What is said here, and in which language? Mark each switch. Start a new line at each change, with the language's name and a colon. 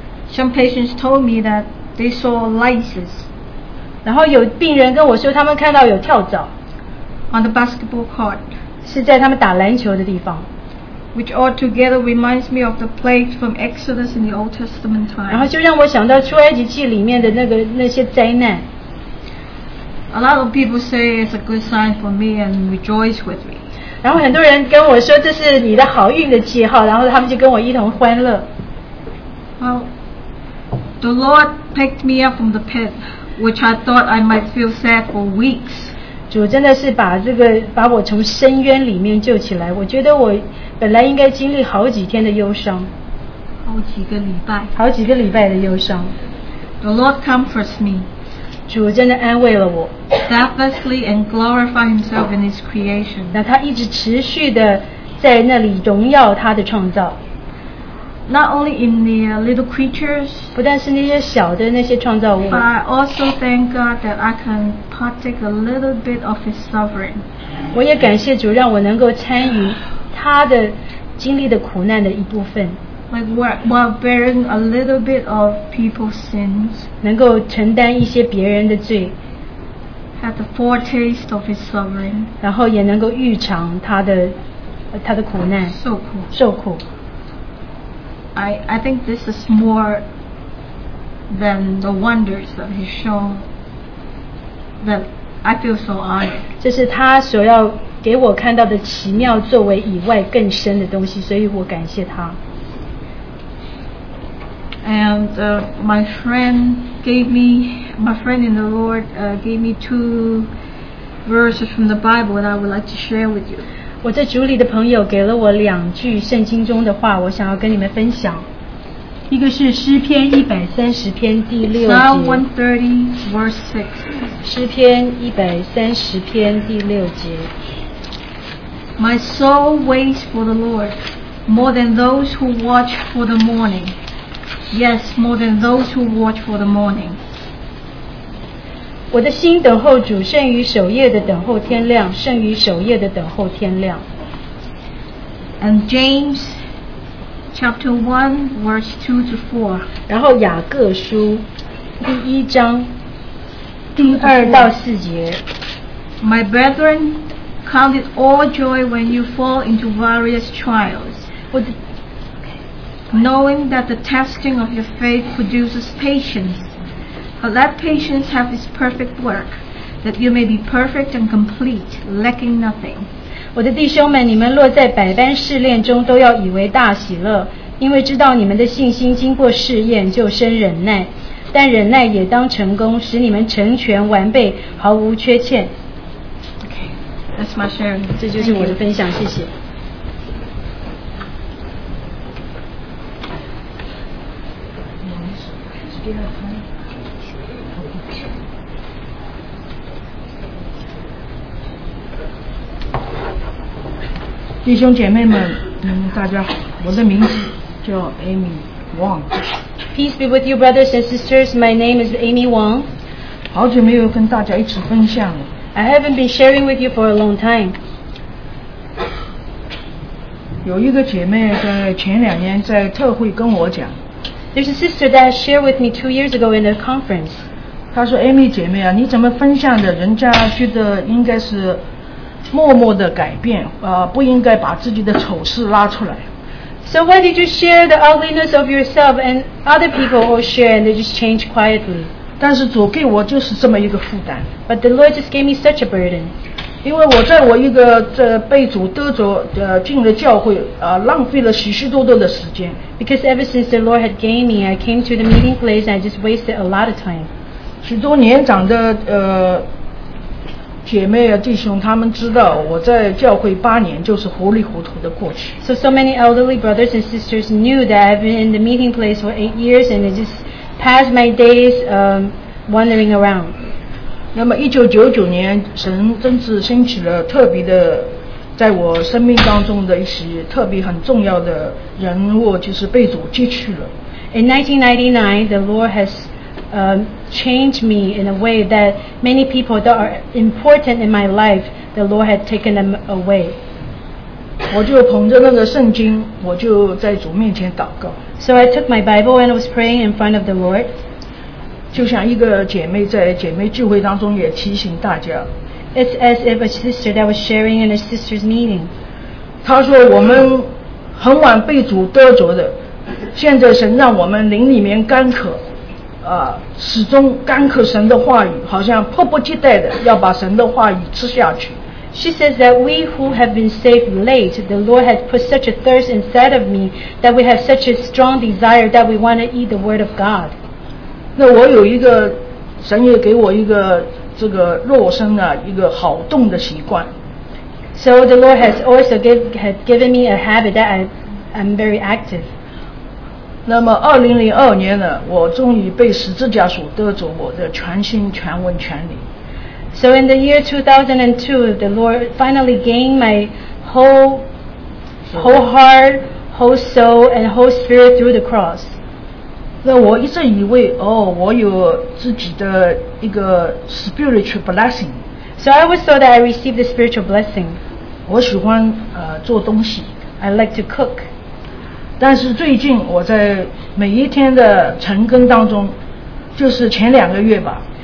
English: some patients told me that they saw lights.
Chinese: 然后有病人跟我说他们看到有跳蚤。
English: On the basketball court,
Chinese: 是在他们打篮球的地方。
English: Which all together reminds me of the plagues from Exodus in the Old Testament time.
Chinese: 然后就让我想到出埃及记里面的那些灾难。
English: A lot of people say it's a good sign for me and rejoice with me.
Chinese: 然后很多人跟我说这是你的好运的记号，然后他们就跟我一同欢乐。
English: Well, the Lord picked me up from the pit, which I thought I might feel sad for weeks.
Chinese: 主真的是把我从深渊里面救起来。我觉得我本来应该经历好几天的忧伤，好几个礼拜的忧伤。
English: The Lord comforts me.
Chinese: 主真的安慰了我。
English: Steadfastly and glorify himself in his creation.
Chinese: 那他一直持续的在那里荣耀他的创造。
English: Not only in the little creatures,
Chinese: 不但是那些小的那些创造物，
English: but I also thank God that I canpartake a little bit of his suffering.
Chinese: 我也感谢主让我能够参与他的经历的苦难的一部分。
English: Like while bearing a little bit of people's sins,
Chinese: 能够承担一些别人的罪，
English: had the foretaste of his suffering,
Chinese: 然后也能够预尝他的苦难，受苦。
English: I think this is more than the wonders that he showed. That I feel so honored.
Chinese: 这是他所要给我看到的奇妙作为以外更深的东西，所以我感谢他。
English: And my friend in the Lord gave me two verses from the Bible that I would like to share with you.
Chinese: 我在主里的朋友给了我两句圣经中的话，我想要跟你们分享。一个是诗篇130篇第六节。
English: Psalm 130 verse 6.
Chinese: 诗篇130篇第六节。
English: My soul waits for the Lord more than those who watch for the morning. Yes, more than those who watch for the morning.
Chinese: 我的心等候主，胜于守夜的等候天亮，胜于守夜的等候天亮。
English: And James chapter 1, verse 2 to 4.
Chinese: 然后雅各书第一章第二到四节。
English: My brethren, count it all joy when you fall into various trials. Knowing that the testing of your faith produces patience. But let patience have its perfect work, that you may be perfect and complete, lacking nothing.
Chinese: 我的弟兄们，你们落在百般试炼中，都要以为大喜乐，因为知道你们的信心经过试验，就生忍耐。但忍耐也当成功，使你们成全完备，毫无缺欠。
English: Okay, that's my sharing.
Chinese: 这就是我的分享，谢谢。弟兄姐妹们，大家好，我的名字叫 Amy Wong。
English: Peace be with you, brothers and sisters. My name is Amy Wong.
Chinese: 好久没有跟大家一起分享了。
English: I haven't been sharing with you for a long time.
Chinese: 有一个姐妹在前两年在特会跟我讲。
English: There's a sister that shared with me 2 years ago in a conference.
Chinese: 她说 ，Amy 姐妹啊，你怎么分享的？人家觉得应该是。默默地改变，不应该把自己的丑事拉出来。
English: So why did you share the ugliness of yourself and other people all share and they just change quietly?
Chinese: 但是主给我就是这么一个负担。
English: But the Lord just gave me such a burden.
Chinese: 因为我在我一个被主得着进了教会浪费了许许多多的时间。
English: Because ever since the Lord had gained me, I came to the meeting place and I just wasted a lot of time.
Chinese: 许多年长的姐妹啊，弟兄，他们知道我在教会八年就是糊里糊涂的过去。
English: So many elderly brothers and sisters knew that I've been in the meeting place for 8 years and I just passed my days wandering around.
Chinese: 那么1999年，神真是兴起了特别的，在我生命当中的一些特别很重要的人物，就是被主接去了。
English: In 1999, the Lord has changed me in a way that many people that are important in my life, the Lord had taken them away.
Chinese: 我就捧着那个圣经，我就在主面前祷告。
English: So I took my Bible and I was praying in front of the Lord.
Chinese: 就像一个姐妹在姐妹聚会当中也提醒大家。
English: It's as if a sister that was sharing in a sister's meeting.
Chinese: 她说我们很晚被主得着的，现在神让我们灵里面干渴。始终干渴神的话语，好像迫不及待的要把神的话语吃下去。
English: She says that we who have been saved late, the Lord has put such a thirst inside of me that we have such a strong desire that we want to eat the word of God.
Chinese: 那我有一个，神也给我一个这个肉身啊，一个好动的习惯。
English: So the Lord has also given me a habit that I'm very active.
Chinese: 那么2002年呢，我终于被十字架所得着我的全心全文全理。
English: So in the year 2002, the Lord finally gained my whole heart, whole soul, and whole spirit through the cross.
Chinese: 那我一直以为哦，我有自己的一个
English: spiritual blessing. So I always thought that I received the spiritual blessing.
Chinese: 我喜欢做东西。
English: I like to cook.
Chinese: 但是最近我在每一天的晨更当中，就是前两个月吧。